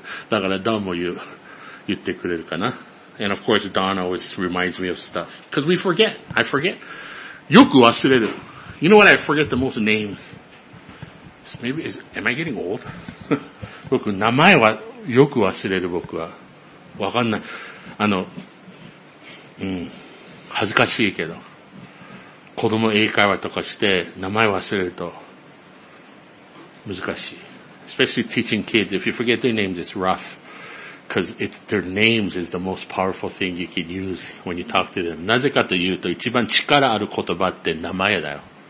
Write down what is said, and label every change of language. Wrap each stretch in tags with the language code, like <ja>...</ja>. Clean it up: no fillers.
<ja>だから、ダンも言ってくれるかな。</ja> <en>And of course, Don always reminds me of stuff. Because we forget. I forget.</en> <ja>よく忘れる。</ja> <en>You know what I forget the most? Names. Maybe, am I getting old?</en> <ja>僕、名前は、よく忘れる僕は。わかんない。恥ずかしいけど。子供英会話とかして、名前忘れると、難しい。</ja> <en>Especially teaching kids, if you forget their names, it's rough. Because it's, their names is the most powerful thing you can use when you talk to them.</en> <ja>なぜかというと、一番力ある言葉って名前だよ。</ja>